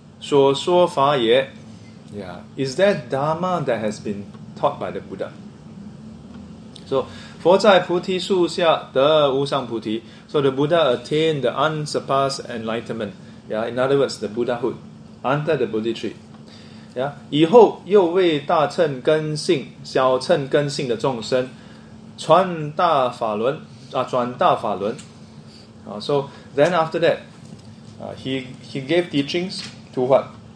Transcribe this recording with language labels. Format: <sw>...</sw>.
<zh>如来有所说法也,</zh> <en>yeah, is that Dharma that has been taught by the Buddha? So,</en> <zh>佛在菩提树下得无上菩提,</zh> <en>so the Buddha attained the unsurpassed enlightenment. Yeah, in other words, the Buddhahood under the Bodhi tree.</en> <zh>Yeah, 以后又为大乘根性、小乘根性的众生传大法轮。</zh> <en>So then after that, he gave teachings to what?</en>